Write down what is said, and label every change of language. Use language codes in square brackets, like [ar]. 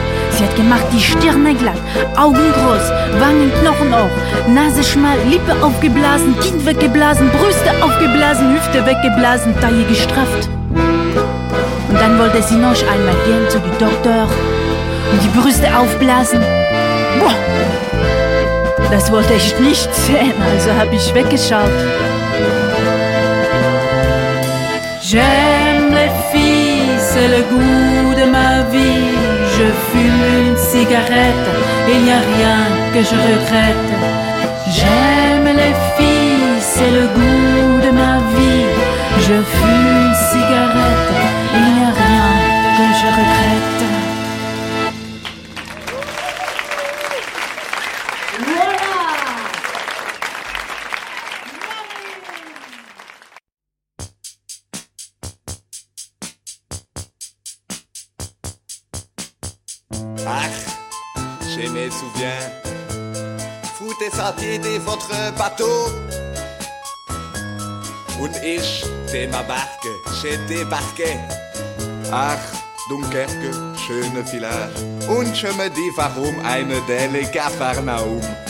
[de] Sie hat gemacht die Stirne glatt, Augen groß, Wangen, Knochen auch, Nase schmal, Lippe aufgeblasen, Kinn weggeblasen, Brüste aufgeblasen, Hüfte weggeblasen, Taille gestrafft. Und dann wollte sie noch einmal gehen zu dem Doktor und die Brüste aufblasen. Boah, das wollte ich nicht sehen, also habe ich weggeschaut. [fr] J'aime les filles, c'est le goût de ma vie. Je fume une cigarette, il n'y a rien que je regrette. J'aime les filles, c'est le goût de ma vie. Je fume une cigarette, il n'y a rien que je regrette. Voilà! Ah, je me souviens. Vous êtes sorti de votre bateau. [de] Und ich, [fr] de ma barque, j'ai débarqué. [de] Ach, Dunkerque, schöne village. Und [fr] je me dis, [de] warum eine Delle Capharnaum?